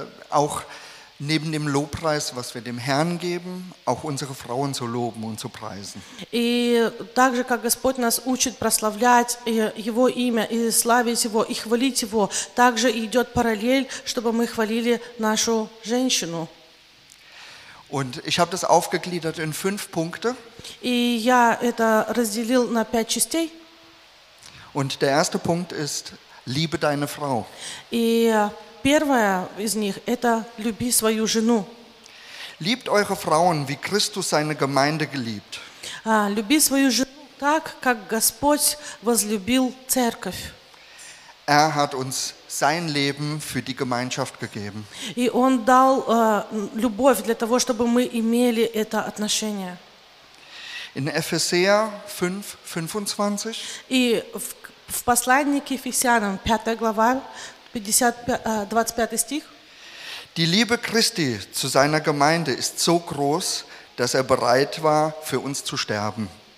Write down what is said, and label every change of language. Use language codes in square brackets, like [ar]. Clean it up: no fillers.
[de] auch neben dem Lobpreis, was wir dem Herrn geben, auch unsere Frauen zu loben und zu preisen. [ru] И также как Господь нас учит прославлять его имя и славить его и хвалить его, также идёт параллель, чтобы мы хвалили нашу женщину. [de] Und ich habe das aufgegliedert in 5 Punkte. [ru] И я это разделил на 5 частей. [de] Und der erste Punkt ist: Liebe deine Frau. [ru] И первое из них это люби свою жену. [de] Liebt eure Frauen, wie Christus seine Gemeinde geliebt. [ru] Люби свою жену так, как Господь возлюбил церковь. [de] Er hat uns sein Leben für die Gemeinschaft gegeben. [ru] И он дал любовь для того, чтобы мы имели это отношение. [de] In Epheser 5:25. [ru] И в послании к Ефесянам 5 глава 25 стих. [de] Die Liebe Christi zu seiner Gemeinde ist so groß, dass er bereit war, für uns zu sterben.